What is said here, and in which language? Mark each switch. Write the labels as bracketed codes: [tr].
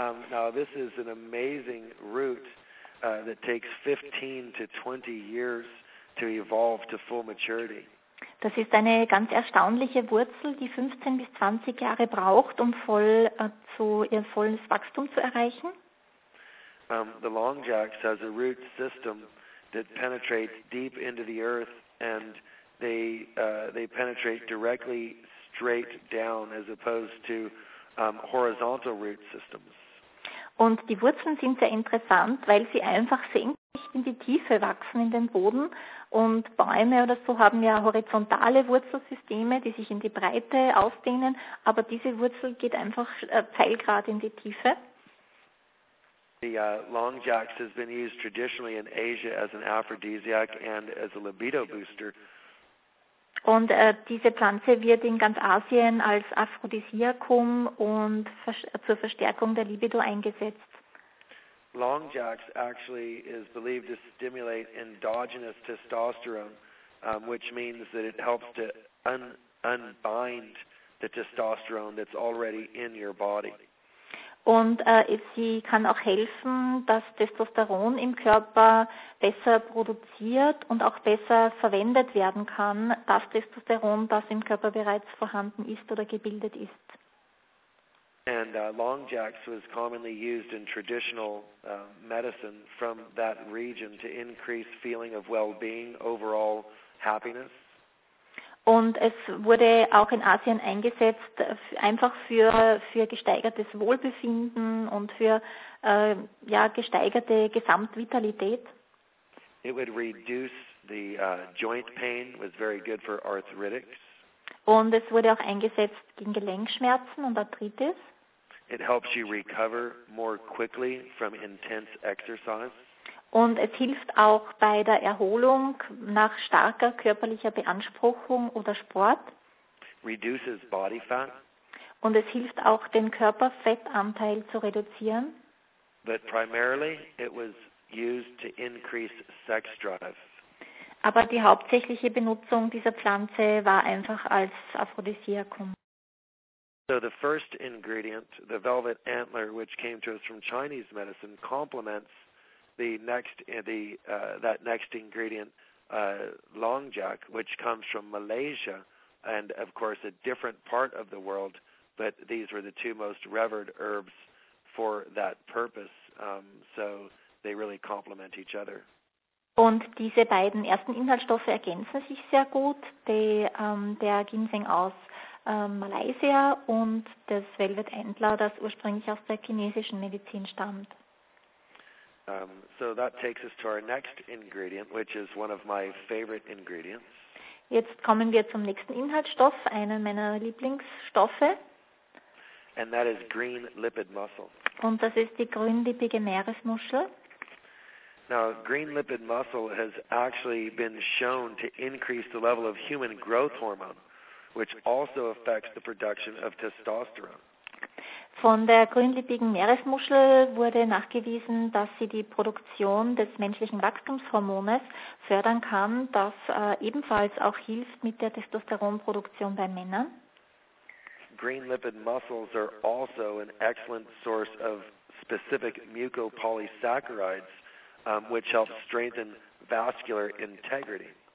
[en] Now, this is an amazing root that takes 15 to 20 years to evolve to full maturity. [de] Das ist eine ganz erstaunliche Wurzel, die 15 bis 20 Jahre braucht, um ihr volles Wachstum zu erreichen. [en] The Longjacks has a root system that penetrates deep into the earth, and they penetrate directly straight down as opposed to horizontal root systems. [de] Und die Wurzeln sind sehr interessant, weil sie einfach senkrecht in die Tiefe wachsen in den Boden. Und Bäume oder so haben ja horizontale Wurzelsysteme, die sich in die Breite ausdehnen, aber diese Wurzel geht einfach pfeilgerade in die Tiefe. [en] The Longjacks has been used traditionally in Asia as an aphrodisiac and as a libido booster. [de] Und diese Pflanze wird in ganz Asien als Aphrodisiakum und zur Verstärkung der Libido eingesetzt. [en] Longjacks actually is believed to stimulate endogenous testosterone, which means that it helps to unbind the testosterone that's already in your body. [de] Und sie kann auch helfen, dass Testosteron im Körper besser produziert und auch besser verwendet werden kann, das Testosteron, das im Körper bereits vorhanden ist oder gebildet ist. [en] And Longjacks was commonly used in traditional medicine from that region to increase feeling of well-being, overall happiness. [de] Und es wurde auch in Asien eingesetzt, einfach für gesteigertes Wohlbefinden und für gesteigerte Gesamtvitalität. [en] It would reduce the joint pain, was very good for arthritics. [de] Und es wurde auch eingesetzt gegen Gelenkschmerzen und Arthritis. [en] It helps you recover more quickly from intense exercise. [de] Und es hilft auch bei der Erholung nach starker körperlicher Beanspruchung oder Sport. [en] Reduces body fat. [de] Und es hilft auch, den Körperfettanteil zu reduzieren. [en] But primarily it was used to increase sex drive. [de] Aber die hauptsächliche Benutzung dieser Pflanze war einfach als Aphrodisiakum. [en] So the first ingredient, the velvet antler, which came to us from Chinese medicine, complements that next ingredient, Longjack, which comes from Malaysia, and of course a different part of the world, but these were the two most revered herbs for that purpose. So they really complement each other. [de] Und diese beiden ersten Inhaltsstoffe ergänzen sich sehr gut. Der Ginseng aus Malaysia und das Velvet Antler, das ursprünglich aus der chinesischen Medizin stammt. [en] So that takes us to our next ingredient, which is one of my favorite ingredients. [de] Jetzt kommen wir zum nächsten Inhaltsstoff, einer meiner Lieblingsstoffe. [en] And that is green lipid mussel. [de] Und das ist die grünlippige Meeresmuschel. [en] Now, green lipid mussel has actually been shown to increase the level of human growth hormone, which also affects the production of testosterone. [de] Von der grünlippigen Meeresmuschel wurde nachgewiesen, dass sie die Produktion des menschlichen Wachstumshormones fördern kann, das ebenfalls auch hilft mit der Testosteronproduktion bei Männern. [en] Green lipid mussels are also an excellent source of specific mucopolysaccharides, which help strengthen vascular integrity.